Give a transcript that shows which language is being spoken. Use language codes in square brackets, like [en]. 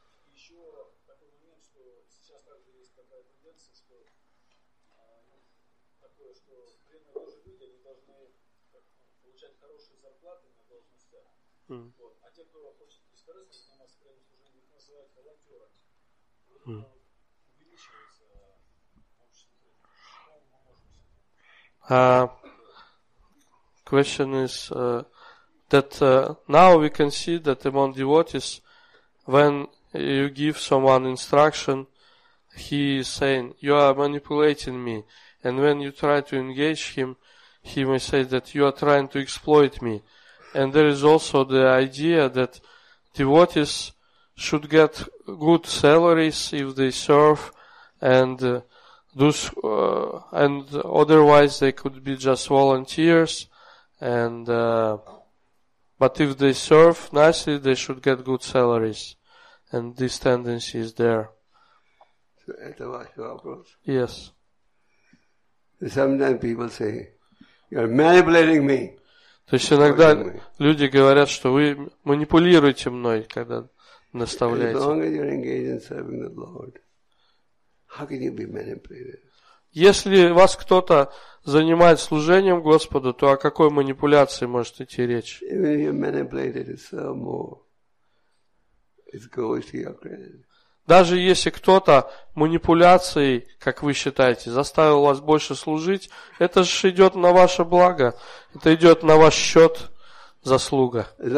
[ru] Еще такой момент, что сейчас также есть такая тенденция, что такое, что преданные тоже люди, они должны получать хорошие зарплаты на должностях. А те, кто хочет бескорыстно заниматься преданным служением, их называют волонтерами. Увеличивается общество. Что мы можем сказать? [en] Question is that now we can see that among devotees, when you give someone instruction, he is saying, you are manipulating me. And when you try to engage him, he may say that you are trying to exploit me. And there is also the idea that devotees should get good salaries if they serve, and and otherwise they could be just volunteers, and but if they serve nicely, they should get good salaries. And this tendency is there. [ru] So, это ваш вопрос? [en] Yes. Sometimes people say, you're manipulating me. [ru] То есть иногда люди говорят, что вы манипулируете мной, когда наставляете. [en] As long as you're engaged in serving the Lord, how can you be manipulated? [ru] Если вас кто-то занимает служением Господу, то о какой манипуляции может идти речь? Даже если кто-то манипуляцией, как вы считаете, заставил вас больше служить, это же идет на ваше благо, это идет на ваш счет заслуга.